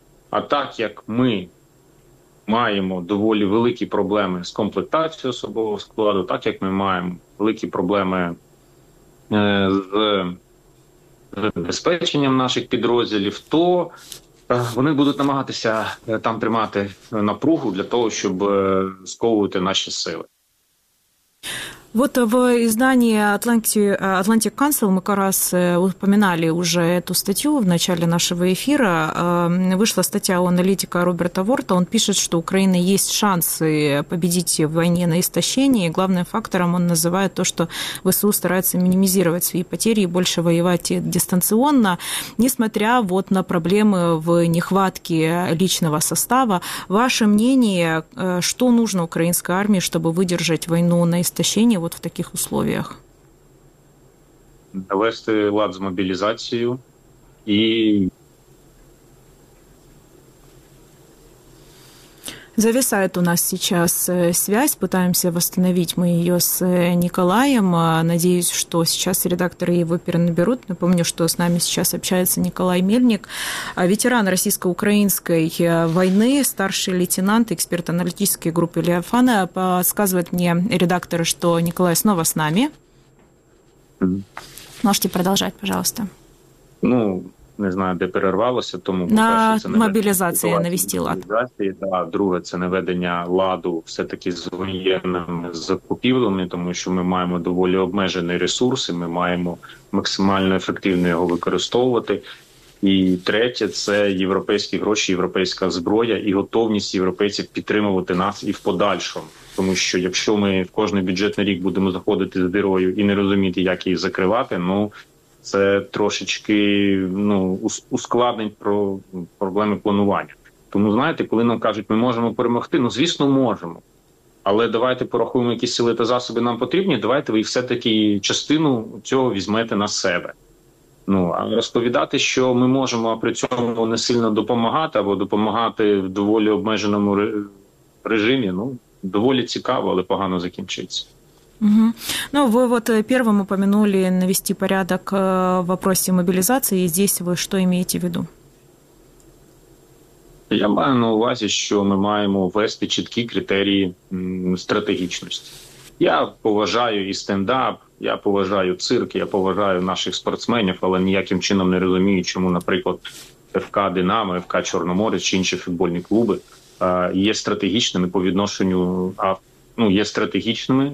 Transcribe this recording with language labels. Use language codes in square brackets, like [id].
[uk] А так як ми маємо доволі великі проблеми з комплектацією особового складу, так як ми маємо великі проблеми з забезпеченням наших підрозділів, то вони будуть намагатися там тримати напругу для того, щоб сковувати наші сили. [ru] Вот в издании Atlantic Council мы как раз упоминали уже эту статью в начале нашего эфира. Вышла статья у аналитика Роберта Ворта. Он пишет, что у Украины есть шансы победить в войне на истощение. Главным фактором он называет то, что ВСУ старается минимизировать свои потери и больше воевать дистанционно. Несмотря вот на проблемы в нехватке личного состава, ваше мнение, что нужно украинской армии, чтобы выдержать войну на истощение от в таких условиях? [uk] Навести лад з мобілізацією і... [ru] Зависает у нас сейчас связь, пытаемся восстановить мы ее с Николаем. Надеюсь, что сейчас редакторы его перенаберут. Напомню, что с нами сейчас общается Николай Мельник, ветеран российско-украинской войны, старший лейтенант, эксперт аналитической группы Левиафана. Подсказывает мне редактор, что Николай снова с нами. Можете продолжать, пожалуйста. [uk] Ну, не знаю, де перервалося. Тому на перше, мобілізації навести лад. [ru] Да. [uk] Друге, це наведення ладу все-таки з воєнними закупівлями, тому що ми маємо доволі обмежені ресурси, ми маємо максимально ефективно його використовувати. І третє, це європейські гроші, європейська зброя і готовність європейців підтримувати нас і в подальшому. Тому що якщо ми в кожний бюджетний рік будемо заходити з дірою і не розуміти, як її закривати, ну це трошечки ускладнить проблеми планування. Тому знаєте, коли нам кажуть, ми можемо перемогти, ну звісно, можемо. Але давайте порахуємо, які сили та засоби нам потрібні. Давайте ви все-таки частину цього візьмете на себе. Ну, а розповідати, що ми можемо при цьому не сильно допомагати, або допомагати в доволі обмеженому режимі, ну, доволі цікаво, але погано закінчиться. Угу. [ru] Ну, вы вот первым упомянули навести порядок в вопросе мобилизации. И здесь вы что имеете в виду? [uk] Я маю на увазі, що ми маємо ввести чіткі критерії стратегічності. Я поважаю і стендап, я поважаю цирк, я поважаю наших спортсменів, але ніяким чином не розумію, чому, наприклад, ФК «Динамо», ФК «Чорноморець» чи інші футбольні клуби є стратегічними по відношенню, є стратегічними.